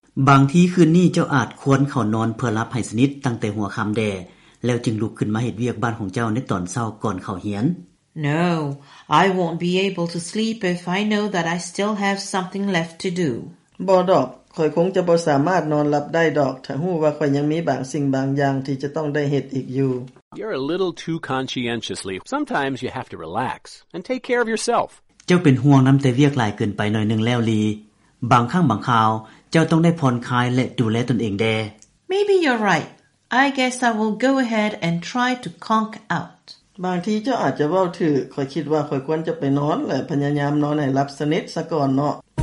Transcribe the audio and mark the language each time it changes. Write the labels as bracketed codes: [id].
[tts] บางทีคืนนี้เจ้าอาจควรเข้านอนเพื่อหลับให้สนิทตั้งแต่หัวค่ําแดแล้วจึงลุกขึ้นมาเฮ็ดเวียกบ้านของเจ้าในตอนเช้าก่อนเข้าเรียน [en] No I won't be able to sleep if I know that I still have something left to do [tts] บ่ดอกข่อยคงจะบ่สามารถนอนหลับได้ดอกถ้าฮู้ว่าข่อยยังมีบางสิ่งบางอย่างที่จะต้องได้เฮ็ดอีกอยู่ [en] You're a little too conscientiously. Sometimes you have to relax and take care of yourself. [tts] เจ้าเป็นห่วงน้ําแต่เวียกหลายเกินไปหน่อยนึงแล้วลีบางครั้งบางคราวเจ้าต้องได้ผ่อนคลายและดูแลตนเองแด [en] Maybe you're right. I guess I will go ahead and try to conk out. [tts] บางทีเจ้าอาจจะเว้าถึงข่อยคิดว่าข่อยควรจะไปนอนและพยายามนอนให้หลับสนิทซะก่อนเนาะ